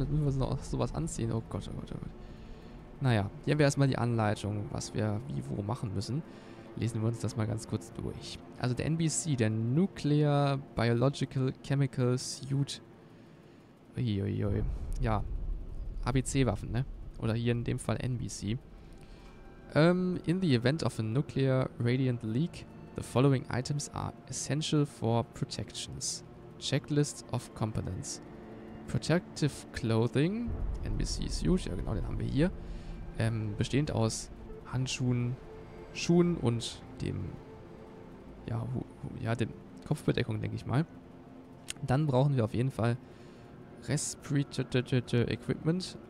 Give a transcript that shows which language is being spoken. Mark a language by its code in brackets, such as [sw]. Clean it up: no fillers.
[de] Jetzt müssen wir uns noch sowas anziehen. Oh Gott, oh Gott, oh Gott. Naja, hier haben wir erstmal die Anleitung, was wir wie wo machen müssen. Lesen wir uns das mal ganz kurz durch. Also der NBC, der Nuclear Biological Chemical Suit. Uiuiui. Ja. ABC-Waffen, ne? Oder hier in dem Fall NBC. [en] In the event of a nuclear radiant leak, the following items are essential for protections. Checklist of components. Protective clothing. [de] NBC Suit, ja genau, den haben wir hier. Bestehend aus Handschuhen, Schuhen und dem, dem Kopfbedeckung, denke ich mal. Dann brauchen wir auf jeden Fall Respirator Equipment.